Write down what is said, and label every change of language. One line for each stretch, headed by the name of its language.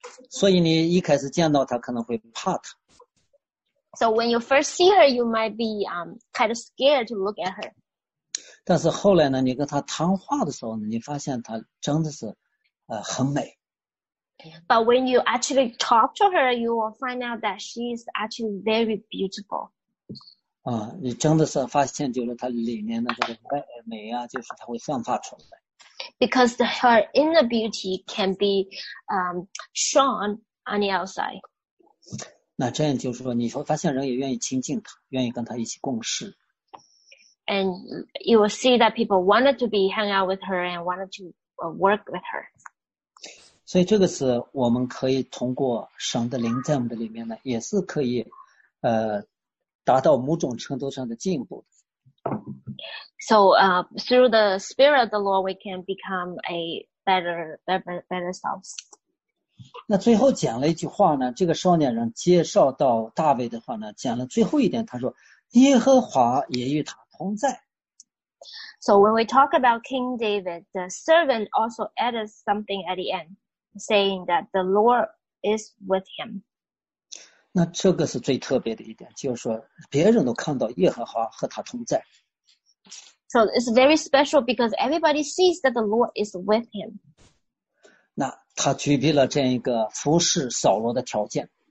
Chinese: 所以你一开始见到她可能会怕她。
English: So when you first see her, you might be kind of scared to look at her.
Chinese: 但是后来呢，你跟她谈话的时候呢，你发现她真的是很美。
English: But when you actually talk to her, you will find out that she is actually very beautiful.
Chinese: 啊，你真的是发现就是她里面的这个美啊，就是她会散发出来。
English: Because her inner beauty can be shown on the outside.
Chinese: 那这样就是说，你会发现人也愿意亲近她，愿意跟她一起共事。
English: And you will see that people wanted to be hang out with her and wanted to work with her.
Chinese: 所以这个是我们可以通过神的灵在我们的里面呢，也是可以，达到某种程度上的进步。
English: So, through the Spirit of the Lord, we can become a better selves.
Chinese: 那最后讲了一句话呢，这个少年人介绍到大卫的话呢，讲了最后一点，他说：“耶和华也与他同在。”
English: So when we talk about King David, the servant also added something at the end. Saying that the Lord is with him.
Chinese: 那这个是最特别的一点，就是说别人都看到耶和华和他同在。
English: So it's very special because everybody sees that the Lord is with him.
Chinese: 那他具备了这样一个服侍扫罗的条件。